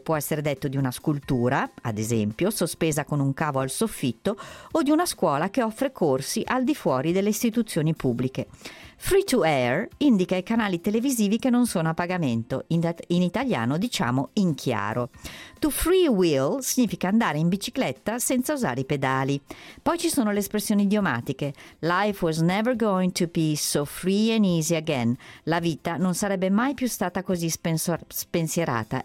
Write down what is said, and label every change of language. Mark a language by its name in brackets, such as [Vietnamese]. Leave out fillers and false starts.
[Italian] Può essere detto di una scultura, ad esempio, sospesa con un cavo al soffitto, o di una scuola che offre corsi al di fuori delle istituzioni pubbliche. Free to air indica i canali televisivi che non sono a pagamento. In italiano diciamo in chiaro. To free wheel significa andare in bicicletta senza usare i pedali. Poi ci sono le espressioni idiomatiche. [English] Life was never going to be so free and easy again. [Italian] La vita non sarebbe mai più stata così spensierata.